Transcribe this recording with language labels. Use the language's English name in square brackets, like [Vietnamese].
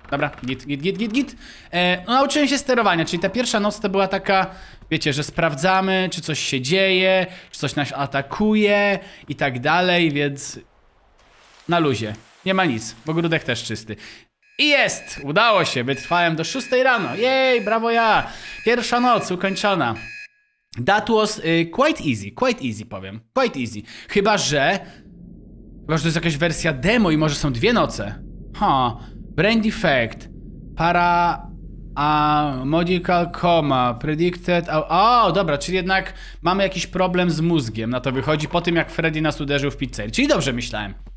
[Polish] Dobra, git. No nauczyłem się sterowania, czyli ta pierwsza noc to była taka, wiecie, że sprawdzamy, czy coś się dzieje, czy coś nas atakuje i tak dalej, więc na luzie. Nie ma nic, bo ogródek też czysty. I jest! Udało się, wytrwałem do 6 rano. Jej, brawo ja! Pierwsza noc ukończona. [English] That was quite easy, [Polish] powiem. Chyba, że to jest jakaś wersja demo i może są dwie noce. [English] Brain defect. Para... medical coma. Predicted... [Polish] dobra, czyli jednak mamy jakiś problem z mózgiem. Na to wychodzi po tym, jak Freddy nas uderzył w pizzerii. Czyli dobrze myślałem.